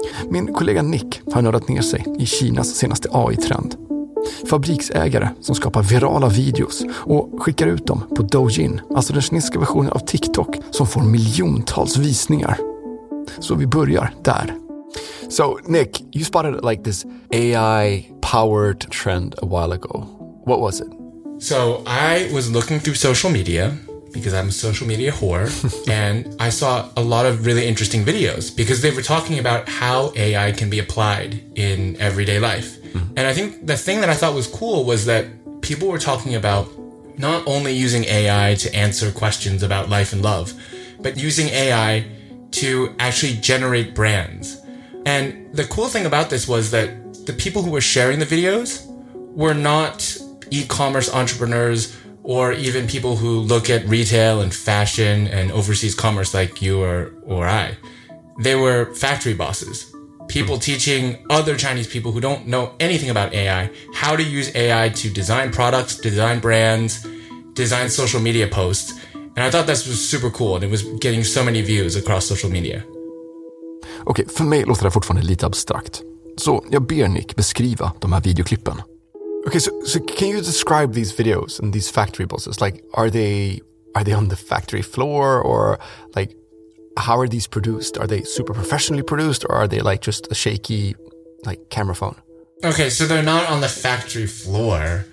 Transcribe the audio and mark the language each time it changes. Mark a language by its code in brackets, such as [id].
[sv] Min kollega Nick har nördat ner sig i Kinas senaste AI-trend. Fabriksägare som skapar virala videos och skickar ut dem på Douyin, alltså den kinesiska versionen av TikTok, som får miljontals visningar. Så vi börjar där. [en] So Nick, you spotted like this AI powered trend a while ago. What was it? So I was looking through social media because I'm a social media whore and I saw a lot of really interesting videos because they were talking about how AI can be applied in everyday life. And I think the thing that I thought was cool was that people were talking about not only using AI to answer questions about life and love, but using AI to actually generate brands. And the cool thing about this was that the people who were sharing the videos were not e-commerce entrepreneurs or even people who look at retail and fashion and overseas commerce like you or I. They were factory bosses. People teaching other Chinese people who don't know anything about AI how to use AI to design products, design brands, design social media posts. And I thought this was super cool and it was getting so many views across social media. [sv] Okej, för mig låter det fortfarande lite abstrakt. Så jag ber Nick beskriva de här videoklippen. [en] Okej, so can you describe these videos and these factory bosses? Like, are they on the factory floor or like... How are these produced? Are they super professionally produced or are they like just a shaky like camera phone? Okay, so they're not on the factory floor.